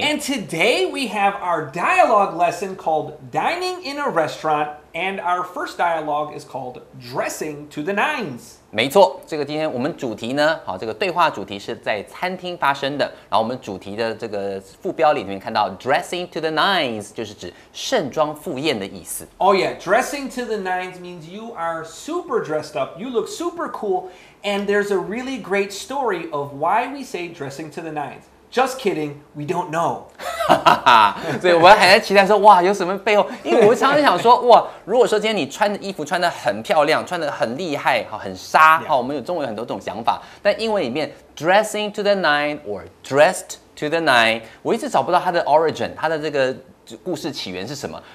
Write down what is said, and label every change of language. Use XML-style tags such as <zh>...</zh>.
<en>And today we have our dialogue lesson called Dining in a Restaurant. And our first dialogue is called Dressing to the Nines.</en> <zh>没错，这个今天我们主题呢，好，这个对话主题是在餐厅发生的。然后我们主题的这个副标里面看到 Dressing to the Nines 就是指盛装赴宴的意思。</zh> <en>Oh yeah, Dressing to the Nines means you are super dressed up. You look super cool. And there's a really great story of why we say dressing to the nines. Just kidding, we don't know.</en> <zh>所以我们还在期待说，哇，有什么背后？因为我常常想说，哇，如果说今天你穿的衣服穿得很漂亮，穿得很厉害，很沙，我们有中文有很多种想法。但英文里面</zh> <en>dressing to the nine</en> <zh>or dressed to the nine， 我一直找不到它的 origin， 它的这个。故事起源是什么？</zh>